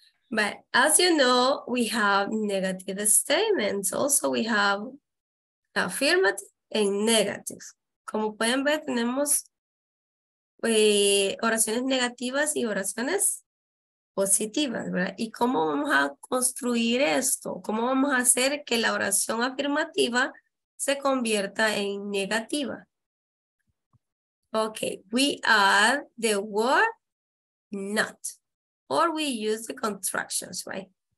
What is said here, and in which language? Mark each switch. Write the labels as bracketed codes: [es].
[en] But as you know, we have negative statements. Also, we have affirmative and negative. [es] Como pueden ver, tenemos oraciones negativas y oraciones positivas, ¿verdad? ¿Y cómo vamos a construir esto? ¿Cómo vamos a hacer que la oración afirmativa se convierta en negativa? [en] Okay, we add the word not, or we use the contractions, right?